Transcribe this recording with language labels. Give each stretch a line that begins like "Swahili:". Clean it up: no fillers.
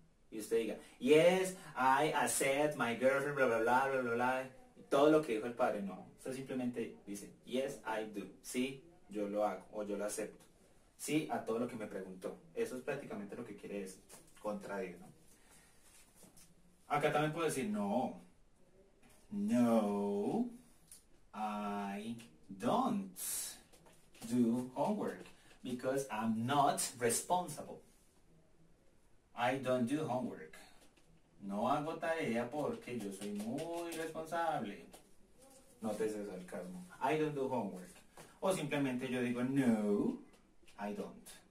Spanish: Y usted diga,
English: yes, I accept my girlfriend, blah, blah, blah, blah, blah.
Spanish: Y todo lo que dijo el padre, no. Usted simplemente dice,
English: yes, I do.
Spanish: Sí, yo lo hago, o yo lo acepto. Sí, a todo lo que me preguntó. Eso es prácticamente lo que quiere es contradir, ¿no? Acá también puedo decir, no.
English: No, I don't do homework because I'm not responsible. I don't do homework.
Spanish: No hago tarea porque yo soy muy responsable. Nótese el sarcasmo.
English: I don't do homework.
Spanish: O simplemente yo digo, no,
English: I don't.